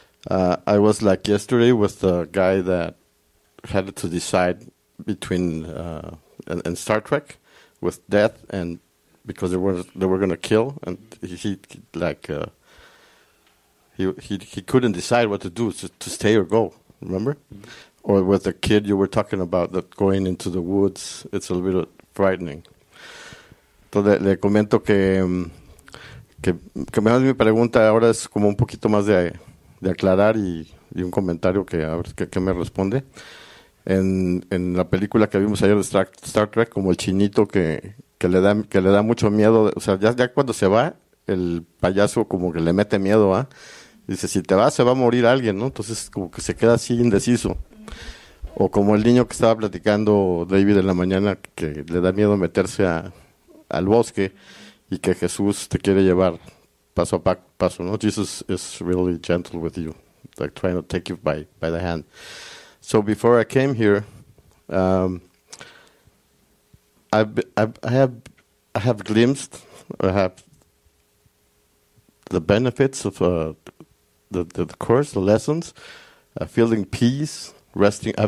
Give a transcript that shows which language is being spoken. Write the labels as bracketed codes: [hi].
[en] I was like yesterday with the guy that had to decide between and Star Trek with death, and because they were going to kill, and he couldn't decide what to do, to stay or go, remember? Mm-hmm. Or with the kid you were talking about, that going into the woods, it's a little bit frightening. [es] Entonces, le comento que más mi pregunta ahora es como un poquito más de aclarar y un comentario que a ver qué me responde. En la película que vimos ayer de Star Trek, como el chinito que le da mucho miedo, o sea, ya cuando se va, el payaso como que le mete miedo, ¿ah? Dice, si te vas, se va a morir alguien, ¿no? Entonces, como que se queda así indeciso. O como el niño que estaba platicando David en la mañana, que le da miedo meterse al bosque y que Jesús te quiere llevar paso a paso, ¿no? [en] Jesus is really gentle with you, like trying to take you by the hand. So before I came here, I have the benefits of the course, the lessons, feeling peace, resting.